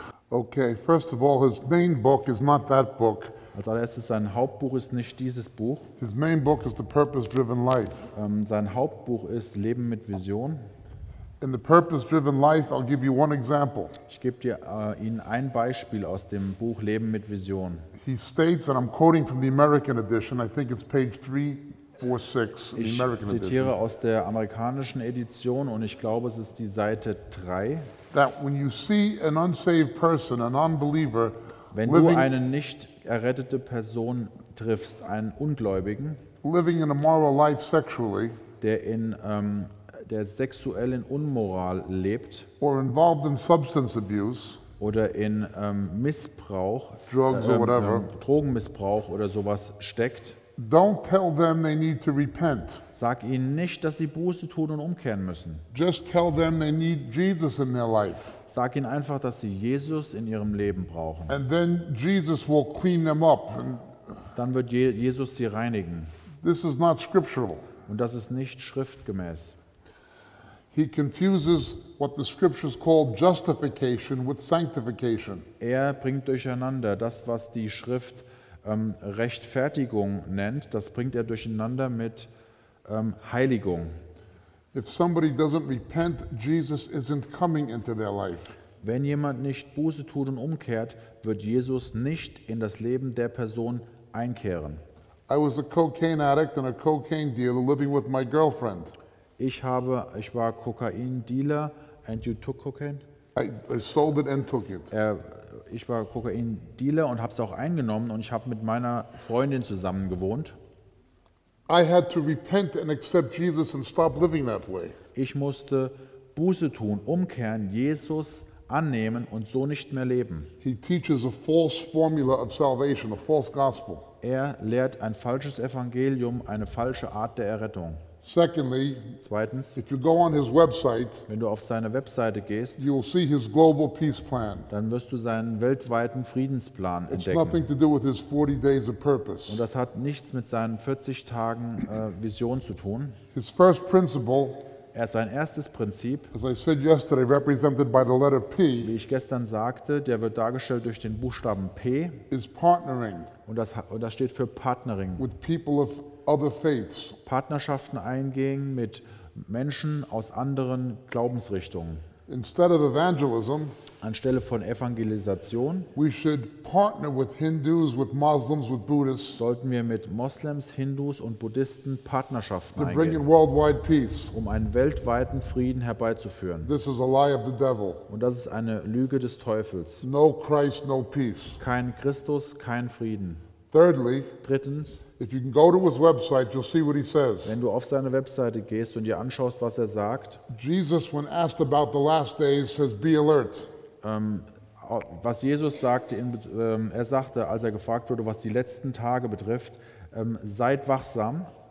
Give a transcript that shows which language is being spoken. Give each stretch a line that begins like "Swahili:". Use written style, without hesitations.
English: Okay, first of all, his main book is not that book.
German: Als allererstes, sein Hauptbuch ist nicht dieses Buch.
English: His main book is The Purpose-Driven Life.
German: Sein Hauptbuch ist Leben mit Vision.
English: In The Purpose-Driven Life, I'll give you one example.
German: Ich gebe dir Ihnen ein Beispiel aus dem Buch Leben mit Vision.
English: He states, and I'm quoting from the American edition, I think it's page 346 in the American edition.
German: Ich zitiere aus der amerikanischen Edition und ich glaube, es ist die Seite 3.
English: That when you see an unsaved person, an unbeliever,
German: wenn du eine nicht errettete Person triffst, einen Ungläubigen,
English: living in a moral life sexually,
German: der sexuell in Unmoral lebt,
English: or involved in substance abuse,
German: oder in Missbrauch,
English: drugs or whatever,
German: Drogenmissbrauch oder sowas steckt,
English: don't tell them they need to repent.
German: Sag ihnen nicht, dass sie Buße tun und umkehren müssen.
English: Just tell them they need Jesus in their life.
German: Sag ihnen einfach, dass sie Jesus in ihrem Leben brauchen.
English: And then Jesus will clean them up. And
German: dann wird Jesus sie reinigen.
English: This is not scriptural.
German: Und das ist nicht schriftgemäß.
English: He confuses what the scriptures call justification with sanctification.
German: Er bringt durcheinander das, was die Schrift Rechtfertigung nennt, das bringt er durcheinander mit Heiligung.
English: If somebody doesn't repent, Jesus isn't coming into their life.
German: Wenn jemand nicht Buße tut und umkehrt, wird Jesus nicht in das Leben der Person einkehren.
English: I was a cocaine addict and a cocaine dealer living with my girlfriend.
German: Ich war Kokain-Dealer
English: and you took cocaine? I sold it and took it.
German: Ich war Kokain-Dealer und habe es auch eingenommen und ich habe mit meiner Freundin zusammen gewohnt.
English: I had to repent and accept Jesus and stop living that way.
German: Ich musste Buße tun, umkehren, Jesus annehmen und so nicht mehr leben.
English: He teaches a false formula of salvation, a false gospel.
German: Er lehrt ein falsches Evangelium, eine falsche Art der Errettung.
English: Secondly,
German: zweitens,
English: if you go on his website,
German: wenn du auf seine Webseite gehst,
English: you will see his global peace plan.
German: Dann wirst du seinen weltweiten Friedensplan
English: It's
German: entdecken.
English: Nothing to do with his 40 days of purpose.
German: Und das hat nichts mit seinen 40 Tagen Vision zu tun.
English: His first principle,
German: er ist sein erstes Prinzip,
English: as I said yesterday, represented by the letter P,
German: wie ich gestern sagte, der wird dargestellt durch den Buchstaben P,
English: is partnering,
German: und das steht für Partnering,
English: with people of other faiths.
German: Partnerschaften eingehen mit Menschen aus anderen Glaubensrichtungen.
English: Instead of evangelism,
German: anstelle von Evangelisation,
English: we should partner with Hindus, with Muslims, with Buddhists,
German: sollten wir mit Moslems, Hindus und Buddhisten Partnerschaften
English: to
German: eingehen,
English: bring in worldwide peace.
German: Um einen weltweiten Frieden herbeizuführen.
English: This is a lie of the devil.
German: Und das ist eine Lüge des Teufels.
English: No Christ, no peace.
German: Kein Christus, kein Frieden.
English: Thirdly,
German: drittens,
English: if you can go to his website, you'll see what he says.
German: Wenn du auf seine Webseite gehst und dir anschaust, was er sagt,
English: Jesus, when asked about the last days, says, "Be alert."
German: Was Jesus sagte, er sagte, als er gefragt wurde, was die letzten Tage betrifft, seid wachsam.